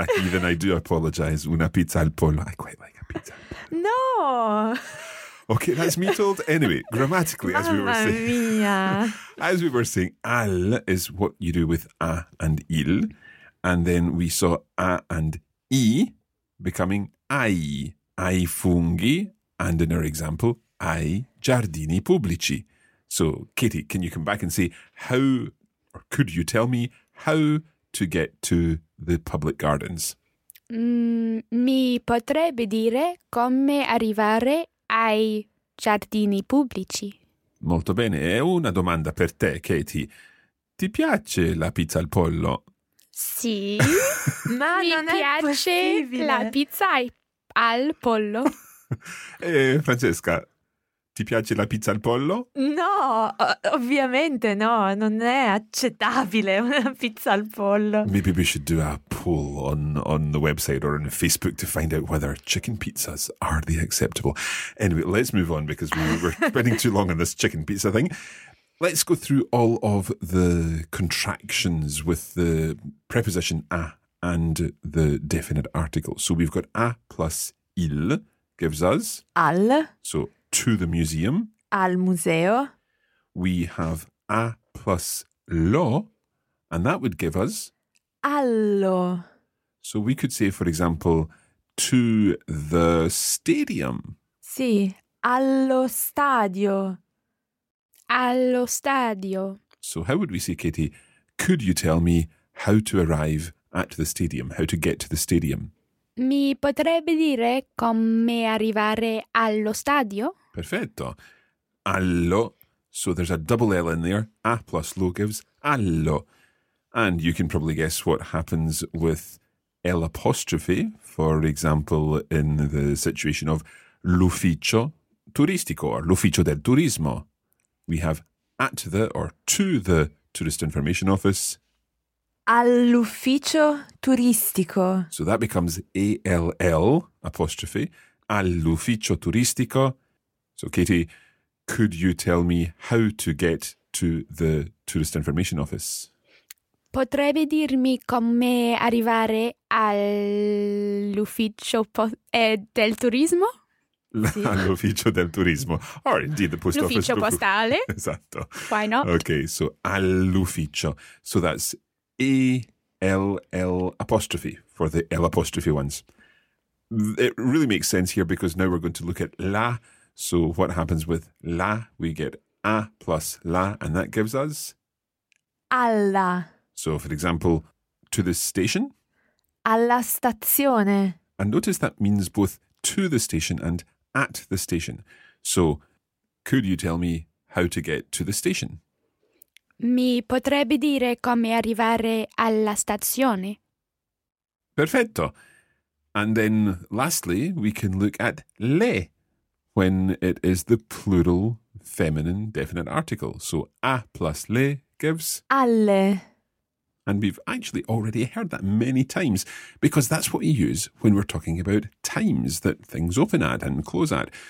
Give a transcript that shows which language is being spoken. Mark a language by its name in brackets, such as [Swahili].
[English] Even I do apologize. [Italian] Una pizza al pollo. [English] I quite like a pizza. No. Okay, that's me told. Anyway, grammatically, as [Italian] Mamma [English] we were saying, [Italian] mia. [English] As we were saying, al is what you do with a and il. And then we saw a and I becoming ai. [Italian] Ai funghi, [English] and in our example, [Italian] ai giardini pubblici. [English] So, Katie, can you come back and say how, or could you tell me how to get to the public gardens? [Italian] Mi potrebbe dire come arrivare ai giardini pubblici. Molto bene. È una domanda per te, Katie. Ti piace la pizza al pollo? Sì, ma non mi piace possibile. La pizza ai al pollo. Francesca, ti piace la pizza al pollo? No, ovviamente no, non è accettabile una pizza al pollo. [English] Maybe we should do a poll on the website or on Facebook to find out whether chicken pizzas are the acceptable. Anyway, let's move on because we're spending too long on this chicken pizza thing. Let's go through all of the contractions with the preposition a and the definite article. So we've got a plus il gives us [Italian] al. [English] So to the museum. [Italian] Al museo. [English] We have a plus lo, and that would give us [Italian] allo. [English] So we could say, for example, to the stadium. [Italian] Sì, allo stadio. Allo stadio. [English] So how would we say, Katie, could you tell me how to arrive at the stadium, how to get to the stadium? [Italian] Mi potrebbe dire come arrivare allo stadio? Perfetto. Allo. [English] So there's a double L in there. A plus lo gives allo. And you can probably guess what happens with L apostrophe, for example, in the situation of [Italian] l'ufficio turistico [English] or [Italian] l'ufficio del turismo. [English] We have at the or to the tourist information office. [Italian] All'ufficio turistico. [English] So that becomes A-L-L apostrophe. [Italian] All'ufficio turistico. [English] So Katie, could you tell me how to get to the tourist information office? [Italian] Potrebbe dirmi come arrivare all'ufficio del turismo? All'ufficio del turismo. [English] Or indeed the post [Italian] l'ufficio L'ufficio postale. Esatto. [English] Why not? Okay, so all'ufficio. So that's A-L-L apostrophe for the L apostrophe ones. It really makes sense here because now we're going to look at la. So what happens with la? We get a plus la, and that gives us? [Italian] Alla. [English] So for example, to the station? [Italian] Alla stazione. [English] And notice that means both to the station and at the station. So could you tell me how to get to the station? [Italian] Mi potrebbe dire come arrivare alla stazione. Perfetto. [English] And then lastly, we can look at le when it is the plural feminine definite article. So a plus le gives [Italian] alle. [English] And we've actually already heard that many times because that's what you use when we're talking about times that things open at and close at.